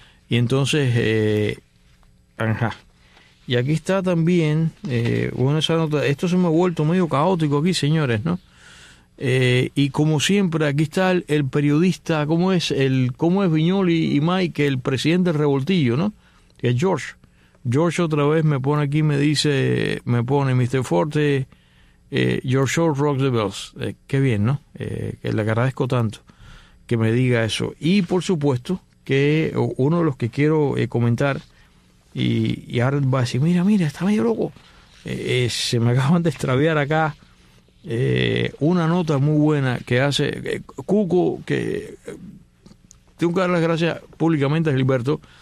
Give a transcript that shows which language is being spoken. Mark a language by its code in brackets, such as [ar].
[es] Y entonces, ajá. Y aquí está también, bueno, esa nota, esto se me ha vuelto medio caótico aquí, señores, ¿no? Y como siempre, aquí está el periodista, ¿cómo es Viñoli y Mike, el presidente del revoltillo, ¿no? Que es George. George otra vez me pone aquí, me pone Mr. [en] Forte, your show rocks the bells. [es] Qué bien, ¿no? Que le agradezco tanto que me diga eso. Y por supuesto que uno de los que quiero comentar, y ahora va a decir, mira, está medio loco. Se me acaban de extraviar acá una nota muy buena que hace Cuco, que tengo que dar las gracias públicamente a Gilberto.